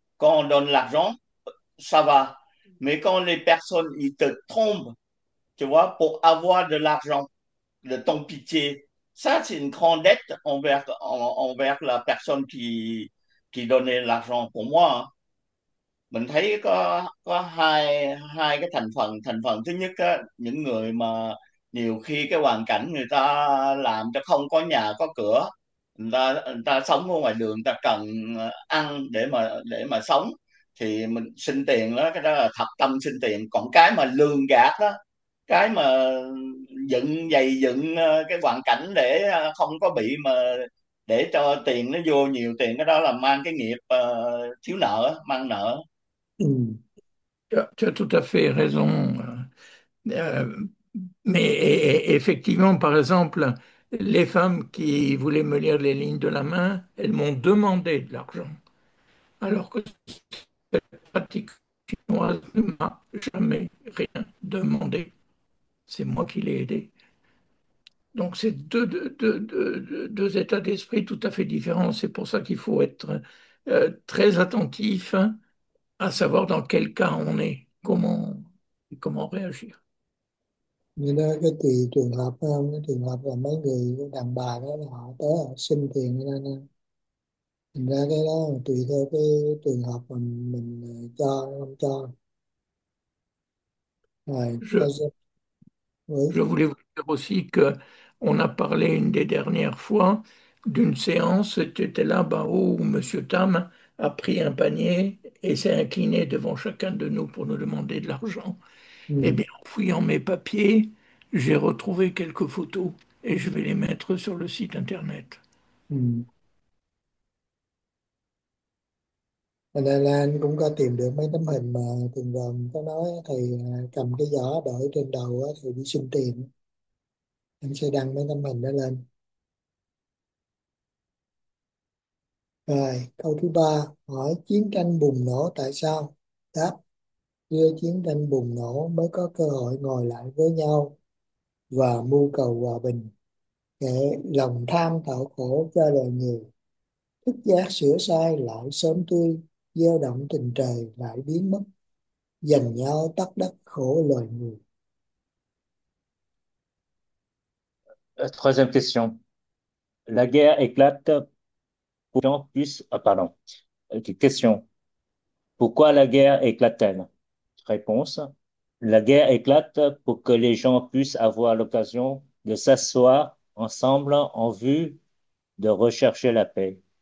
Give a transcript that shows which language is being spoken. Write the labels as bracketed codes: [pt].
[fr] Quand on donne l'argent, ça va. Mais quand les personnes, ils te trompent, tu vois, pour avoir de l'argent, de ton pitié, ça, c'est une grande dette envers la personne qui donnait l'argent pour moi. [vi] Mình thấy có hai cái thành phần. Thứ nhất á, những người mà nhiều khi cái hoàn cảnh người ta làm cho không có nhà có cửa, người ta sống ở ngoài đường, người ta cần ăn để mà sống thì mình xin tiền đó, cái đó là thật tâm xin tiền. Còn cái mà lường gạt đó, cái mà dựng cái hoàn cảnh để không có bị mà để cho tiền nó vô nhiều tiền, cái đó là mang cái nghiệp thiếu nợ, mang nợ. [fr] Tu as tout à fait raison. Mais effectivement, par exemple, les femmes qui voulaient me lire les lignes de la main, elles m'ont demandé de l'argent. Alors que cette pratique chinoise ne m'a jamais rien demandé. C'est moi qui l'ai aidée. Donc c'est deux états d'esprit tout à fait différents. C'est pour ça qu'il faut être très attentif à savoir dans quel cas on est, comment réagir. [vi] Như đó cái tùy trường hợp phải không? Cái trường hợp là mấy người đàn bà đó là họ tới họ xin tiền cho nên thành ra cái đó tùy theo cái trường hợp mà mình cho không cho rồi ta sẽ [fr] Je voulais vous dire aussi qu'on a parlé une des dernières fois d'une séance, tu étais là-bas où M. Tam a pris un panier et s'est incliné devant chacun de nous pour nous demander de l'argent. Eh bien, en fouillant mes papiers, j'ai retrouvé quelques photos et je vais les mettre sur le site internet. [vi] là anh cũng có tìm được mấy tấm hình mà thường gồm có nói thì cầm cái giỏ đội trên đầu á, thì đi xin tiền anh sẽ đăng mấy tấm hình đó lên rồi câu thứ ba hỏi chiến tranh bùng nổ tại sao đáp giữa chiến tranh bùng nổ mới có cơ hội ngồi lại với nhau và mưu cầu hòa bình kẻ lòng tham tạo khổ cho đời người thức giác sửa sai lại sớm tươi gieo động tình trời lại biến mất dành nhau tất đất khổ loài người [fr] Troisième question. La guerre éclate pour qu'on puisse. Ah, pardon. Question. Pourquoi la guerre éclate-t-elle? Réponse. La guerre éclate pour que les gens puissent avoir l'occasion de s'asseoir ensemble en vue de rechercher la paix.